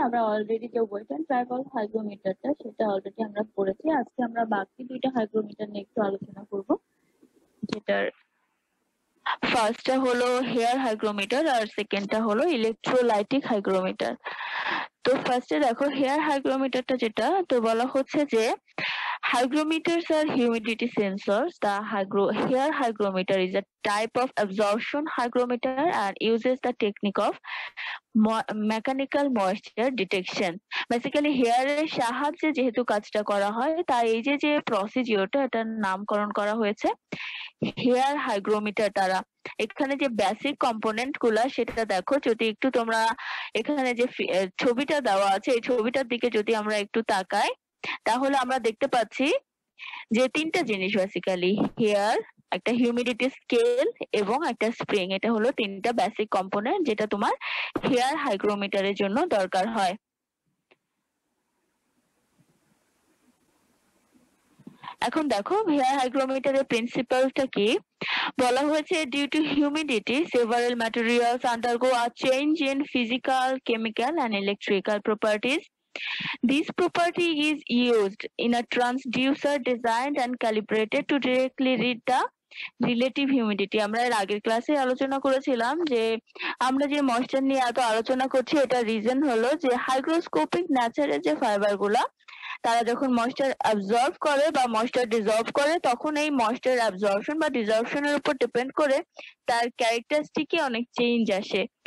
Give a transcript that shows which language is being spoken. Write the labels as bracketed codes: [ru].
[bn] আমরা অলরেডি যে wait and dry bulb হাইগ্রোমিটারটা সেটা অলরেডি আমরা পড়েছি, আজকে আমরা বাকি দুইটা হাইগ্রোমিটার নিয়ে একটু আলোচনা করব, যেটার ফার্স্টটা হলো হেয়ার হাইগ্রোমিটার আর সেকেন্ডটা হলো ইলেকট্রোলাইটিক হাইগ্রোমিটার। তো ফার্স্টে দেখো, হেয়ার হাইগ্রোমিটারটা যেটা, তো বলা হচ্ছে যে [en] Hygrometers are humidity sensors. The hair hygrometer is a type of absorption hygrometer and uses the technique of mechanical moisture detection. [bn] Basically hair এর সাহায্যে যেহেতু কাজটা করা হয়, তাই এই যে যে প্রসিজিওরটা, এটার নামকরণ করা হয়েছে হেয়ার হাইগ্রোমিটার দ্বারা। এখানে যে বেসিক কম্পোনেন্ট গুলা সেটা দেখো, যদি একটু তোমরা এখানে যে ছবিটা দেওয়া আছে এই ছবিটার দিকে যদি আমরা একটু তাকাই, তাহলে আমরা দেখতে পাচ্ছি যে তিনটা জিনিস বেসিক্যালি, হেয়ার, একটা হিউমিডিটি স্কেল এবং একটা স্প্রিং, এটা হলো তিনটা বেসিক কম্পোনেন্ট যেটা তোমার হেয়ার হাইগ্রোমিটারের জন্য দরকার হয়। এখন দেখো হেয়ার হাইগ্রোমিটারের প্রিন্সিপালটা কি, বলা হয়েছে [en] Due to humidity several materials undergo a change in physical, chemical and electrical properties. This property is used in a transducer designed and calibrated to directly read the relative humidity. [bn] আমরা এর আগের ক্লাসে আলোচনা করেছিলাম যে আমরা যে ময়েশ্চার নিয়ে এত আলোচনা করছি, এটা রিজন হলো যে হাইগ্রোস্কোপিক ন্যাচারের যে ফাইবার গুলা, তারা যখন ময়েশ্চার অ্যাবজর্ব করে বা ময়েশ্চার ডিজলভ করে, তখন এই ময়েশ্চার অ্যাবজর্বশন বা ডিজলভশনের উপর ডিপেন্ড করে তার ক্যারেক্টারিস্টিকে অনেক চেঞ্জ আসে।